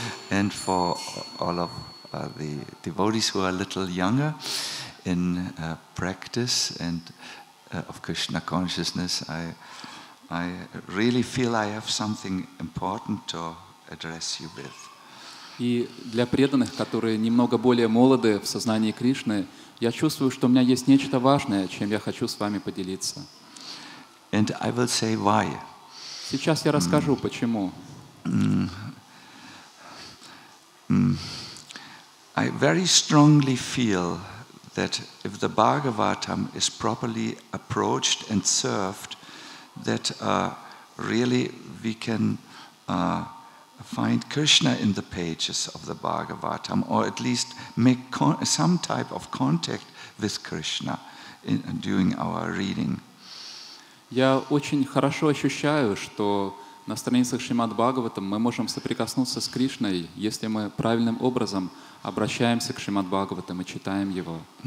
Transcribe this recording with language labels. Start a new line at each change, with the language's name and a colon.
English: And for all of the devotees who are a little younger in practice and of Krishna consciousness, I really feel I have something important to address you with.
Russian: И для преданных, которые немного более молоды в сознании Кришны, я чувствую, что у меня есть нечто важное, чем я хочу с вами поделиться.
English: And I will say why.
Russian: Сейчас я расскажу почему.
English: I very strongly feel that if the Bhagavatam is properly approached and served, that really we can find Krishna in the pages of the Bhagavatam, or at least make some type of contact with Krishna during our reading.
Russian: Я очень хорошо ощущаю, что на страницах Шримад Бхагаватам мы можем соприкоснуться с Кришной, если мы правильным образом обращаемся к Шримад Бхагаватам и читаем его.